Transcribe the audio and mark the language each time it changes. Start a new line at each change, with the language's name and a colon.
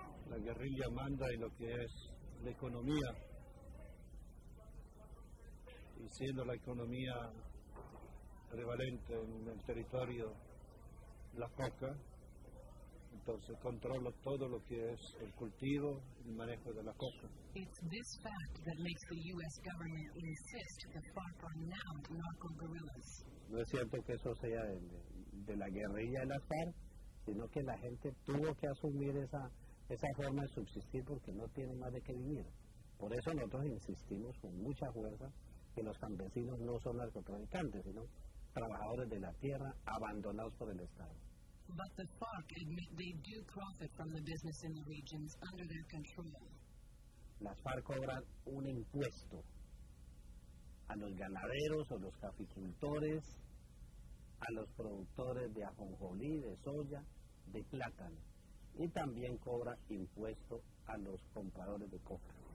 Spanish: La guerrilla manda en lo que es la economía, y siendo la economía prevalente en el territorio la coca, entonces controlo todo lo que es el cultivo y el manejo de la coca.
English: It's this fact that makes the U.S. government insist the FARC are now narco guerrillas.
Spanish: No es cierto que eso sea de la guerrilla de la FARC, sino que la gente tuvo que asumir esa forma de subsistir porque no tiene más de qué vivir. Por eso nosotros insistimos con mucha fuerza que los campesinos no son narcotraficantes, sino trabajadores de la tierra abandonados por el Estado.
English: But the FARC admit they do profit from the business in the regions under their control.
Spanish: Las FARC cobran un impuesto a los ganaderos o los caficultores, a los productores de ajonjolí, de soya, de plátano, y también cobra impuesto a los compradores de coca.